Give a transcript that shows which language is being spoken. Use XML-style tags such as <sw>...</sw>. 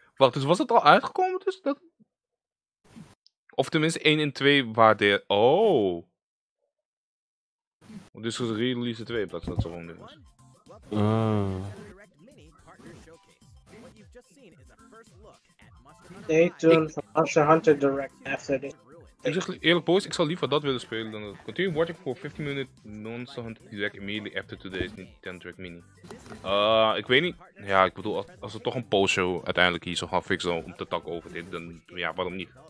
<nl>Wacht, dus was het al uitgekomen? Dus dat... Of tenminste 1 en 2 waren er. Oh. Dus het is release 2 in plaats van dat ze gewoon doen.</nl> <en>Stay tuned for Monster Hunter Direct after this.</en> <nl>Ik zeg eerlijk, boys, ik zou liever dat willen spelen dan dat.</nl> <en>Continue watching for 15 minutes Monster Hunter Direct immediately after today's Nintendo Direct Mini.</en> <nl>Ik weet niet. Ja, ik bedoel, als er toch een postshow uiteindelijk hier zo gaan fixen om te talk over dit, dan ja, waarom niet?</nl>